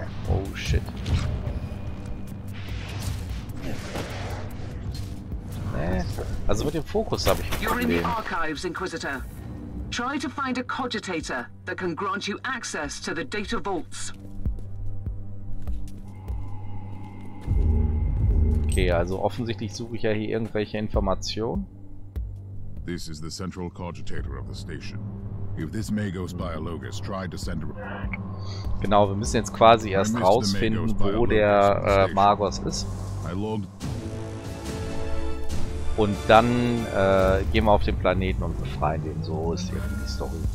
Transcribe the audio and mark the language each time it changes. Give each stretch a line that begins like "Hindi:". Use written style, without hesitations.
English: Oh shit.
German: Nee. Also mit dem Fokus habe ich ein Problem.
English: You're in the archives, Inquisitor. Try to find a cogitator that can grant you access to the data vaults.
German: Okay, also offensichtlich suche ich ja hier irgendwelche Informationen.
English: This is the central cogitator of the station. If this Magos Biologus tried to send a...
German: Genau, wir müssen jetzt quasi erst rausfinden, wo der Magos ist. Und dann gehen wir auf den Planeten und befreien den. So ist irgendwie die Story.